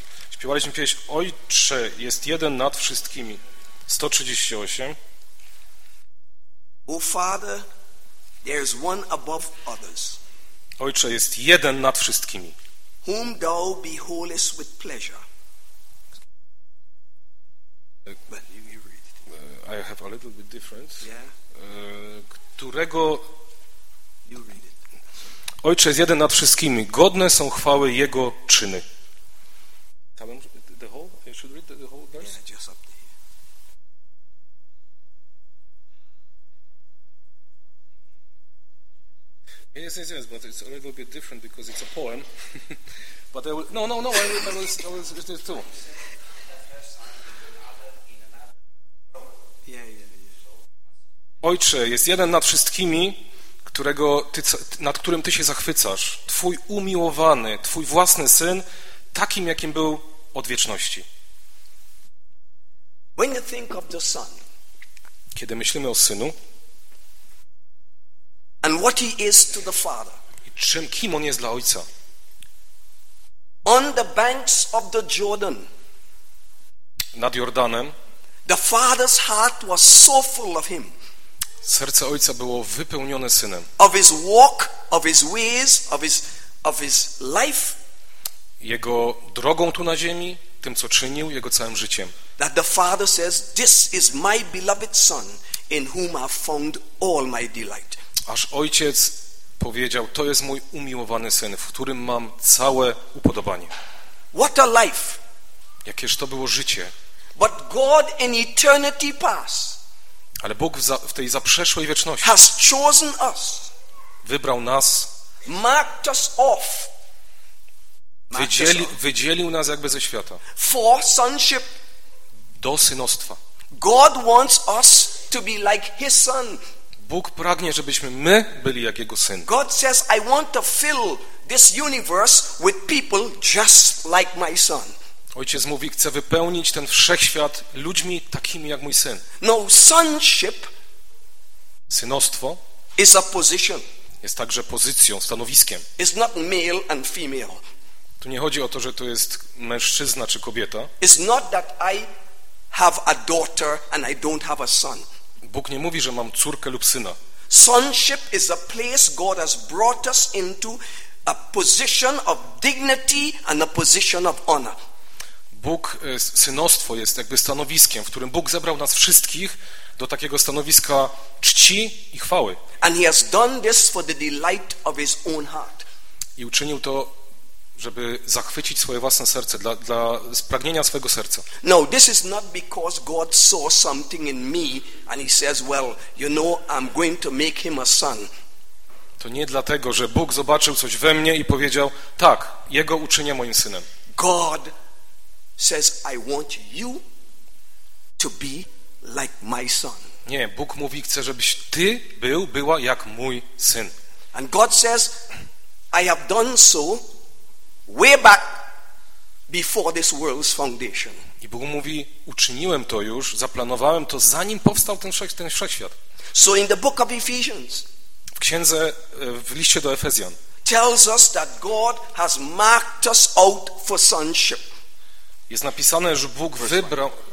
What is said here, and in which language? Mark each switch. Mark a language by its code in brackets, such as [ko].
[pl] Śpiewaliśmy pieśń Ojcze jest jeden nad wszystkimi. 138. [en] O Father, there is one above others. [pl] Ojcze jest jeden nad wszystkimi. [en] Whom thou beholdest with pleasure. But you read it. I have a little bit difference. Yeah. [pl] Którego. [en] You read it. [pl] Ojcze jest jeden nad wszystkimi. Godne są chwały jego czyny. [en] The whole. You should read the whole verse. Yeah, just up there. Yes, but it's a little bit different because it's a poem. But I will, I will read this too. Yeah. [pl] Ojcze jest jeden nad wszystkimi, którego ty, nad którym ty się zachwycasz, twój umiłowany, twój własny syn, takim jakim był od wieczności. [en] When you think of the son, [pl] kiedy myślimy o synu, [en] and what he is to the father, [pl] i czym, kim on jest dla ojca, [en] on the banks of the Jordan, [pl] nad Jordanem, [en] the father's heart was so full of him. [pl] Serce ojca było wypełnione synem. [en] Of his walk, of his ways, of his life. [pl] Jego drogą tu na ziemi, tym co czynił, jego całym życiem. [en] That the father says, "This is my beloved son, in whom I found all my delight." [pl] Aż ojciec powiedział, to jest mój umiłowany syn, w którym mam całe upodobanie. [en] What a life! [pl] Jakież to było życie. [en] But God in eternity past. [pl] Ale Bóg w tej zaprzeszłej wieczności [en] has chosen us, [pl] wybrał nas, [en] marked us off, [pl] wydzielił nas jakby ze świata [en] for sonship, [pl] do synostwa. [en] God wants us to be like his son. [pl] Bóg pragnie, żebyśmy my byli jak jego syn. [en] God says, I want to fill this universe with people just like my son. [pl] Ojciec mówi, chcę wypełnić ten wszechświat ludźmi takimi jak mój syn. [en] No, sonship, [pl] synostwo, [en] is a position. [pl] Jest także pozycją, stanowiskiem. [en] It's not male and female. [pl] Tu nie chodzi o to, że to jest mężczyzna czy kobieta. [en] It's not that I have a daughter and I don't have a son. [pl] Bóg nie mówi, że mam córkę lub syna. [en] Sonship is a place God has brought us into, a position of dignity and a position of honor. [pl] Bóg, synostwo jest jakby stanowiskiem, w którym Bóg zebrał nas wszystkich do takiego stanowiska czci i chwały. [en] And he has done this for the delight of his own heart. [pl] I uczynił to, żeby zachwycić swoje własne serce, dla pragnienia swojego serca. [en] No, this is not because God saw something in me and he says, well, you know, I'm going to make him a son. [pl] To nie dlatego, że Bóg zobaczył coś we mnie i powiedział, tak, jego uczynię moim synem. [en] God says, I want you to be like my son. [pl] Nie, Bóg mówi, chcę, żebyś ty był, była jak mój syn. [en] And God says, I have done so way back before this world's foundation. [pl] I Bóg mówi, uczyniłem to już, zaplanowałem to, zanim powstał ten wszechświat. [en] So in the book of Ephesians, [pl] w księdze, w liście do Efezjan, [en] tells us that God has marked us out for sonship. [pl] Jest napisane, że Bóg wybrał.